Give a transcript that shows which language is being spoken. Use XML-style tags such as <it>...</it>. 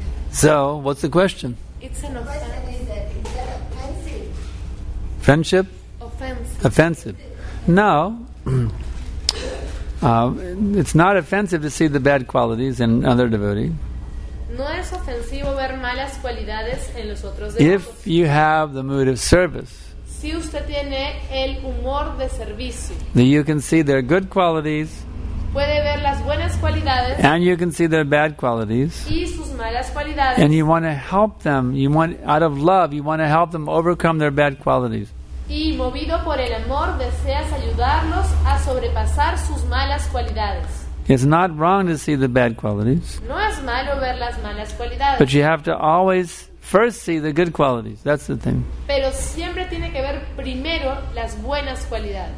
<en>So what's the question? It's an offense. The question is that offensive? Friendship? Offensive. Offensive. No. It's not offensive to see the bad qualities in other devotees.</en> <es>No es ofensivo ver malas cualidades en los otros devotos.</es> <en>If you have the mood of service,</en> <es>si usted tiene el humor de servicio,</es> <en>you can see their good qualities,</en> <es>puede ver las buenas cualidades,</es> <en>and you can see their bad qualities,</en> <es>y sus malas cualidades,</es> <en>and you want to help them. You want, out of love, you want to help them overcome their bad qualities.</en> <es>Y movido por el amor, deseas ayudarlos a sobrepasar sus malas cualidades.</es> <en>It's not wrong to see the bad qualities.</en> <es>No es malo ver las malas cualidades.</es> <en>But you have to always first see the good qualities. That's the thing.</en> <es>Pero siempre tiene que ver primero las buenas cualidades.</es>